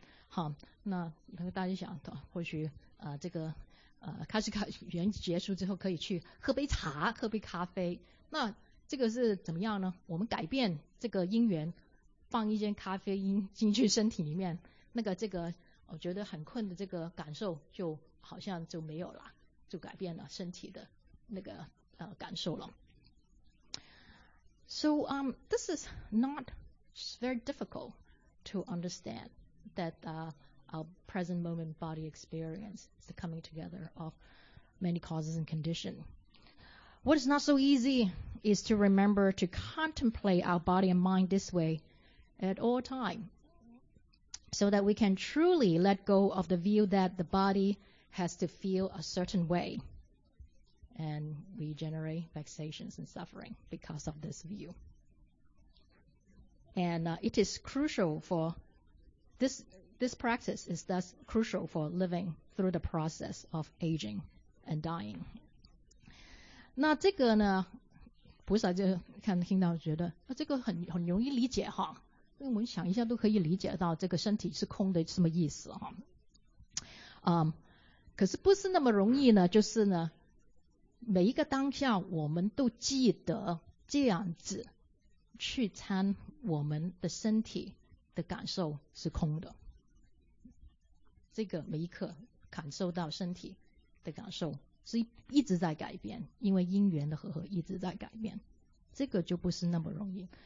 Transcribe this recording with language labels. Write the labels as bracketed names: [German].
[Chinese] 好，那大家想或许这个开始原结束之后可以去喝杯茶喝杯咖啡，那这个是怎么样呢？我们改变这个因缘，放一些咖啡因进去身体里面，那个这个我觉得很困的这个感受就好像就没有了，就改变了身体的那个感受了。 [English] So this is not very difficult to understand that our present moment body experience is the coming together of many causes and conditions. What is not so easy is to remember to contemplate our body and mind this way at all time, so that we can truly let go of the view that the body has to feel a certain way. And we generate vexations and suffering because of this view. And it is crucial for this practice is thus crucial for living through the process of aging and dying. [Chinese] 那这个呢，菩萨就看听到觉得，这个很容易理解哈，所以我们想一下都可以理解到这个身体是空的什么意思哈。可是不是那么容易呢，就是呢每一个当下我们都记得这样子去参我们的身体的感受是空的，这个每一刻感受到身体的感受是一直在改变，因为因缘的和合一直在改变，这个就不是那么容易。